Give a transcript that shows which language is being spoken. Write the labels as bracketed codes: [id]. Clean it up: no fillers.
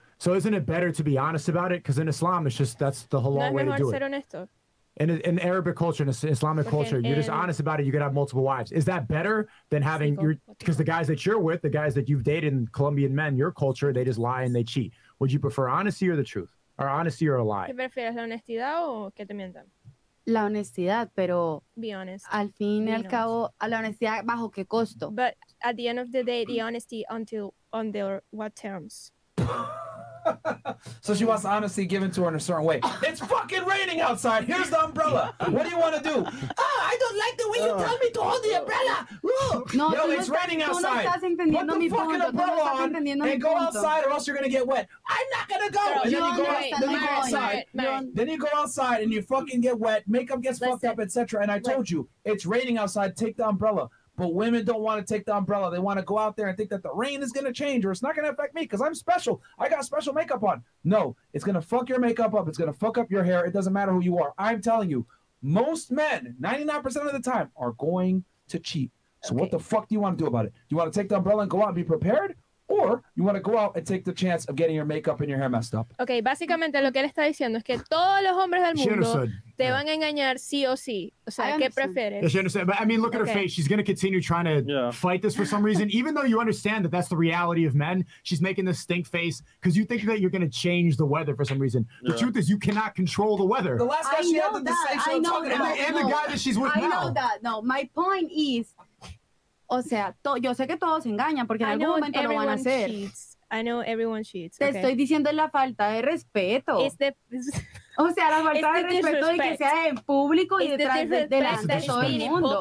[en] So isn't it better to be honest about it? Because in Islam, it's just that's the halal way to do it. In Arabic culture, in Islamic culture, you're just honest about it. You could have multiple wives. Is that better than having your... Because the guys that you're with, the guys that you've dated, Colombian men, your culture, they just lie and they cheat. Would you prefer honesty or the truth? Or honesty or a lie? [es] ¿Qué prefieres, la honestidad o que te mientan? La honestidad, pero... [en] Be honest. [es] Al fin y al cabo, a la honestidad, ¿bajo qué costo? [en] But at the end of the day, the honesty until under what terms? So she wants honesty given to her in a certain way. It's fucking raining outside. Here's the umbrella. What do you want to do? Oh, I don't like the way you tell me to hold the umbrella. No, yo, it's raining outside. Put the fucking umbrella on and go outside or else you're going to get wet. I'm not going to go. And then you go outside. Then you go outside and you fucking get wet. Makeup gets fucked up, etc. And I told you, it's raining outside. Take the umbrella. But women don't want to take the umbrella. They want to go out there and think that the rain is going to change or it's not going to affect me because I'm special. I got special makeup on. No, it's going to fuck your makeup up. It's going to fuck up your hair. It doesn't matter who you are. I'm telling you, most men, 99% of the time, are going to cheat. So okay. What the fuck do you want to do about it? Do you want to take the umbrella and go out and be prepared? Or you want to go out and take the chance of getting your makeup and your hair messed up? [es] Okay, básicamente lo que él está diciendo es que todos los hombres del mundo... Te van a engañar sí o sí. O sea, ¿qué prefieres? [en] Yeah, she understands. But I mean, look at her face. She's going to continue trying to fight this for some reason. Even though you understand that that's the reality of men, she's making this stink face because you think that you're going to change the weather for some reason. Yeah. The truth is you cannot control the weather. The last guy she had the distinction of talking about. And the guy that she's with now. I know that. No, my point is, [es] o sea, yo sé que todos engañan porque en algún momento lo van a hacer. [en] I know everyone cheats. [es] Te estoy diciendo la falta de respeto. O sea, la falta de respeto de que sea en público y detrás de la gente de todo el mundo.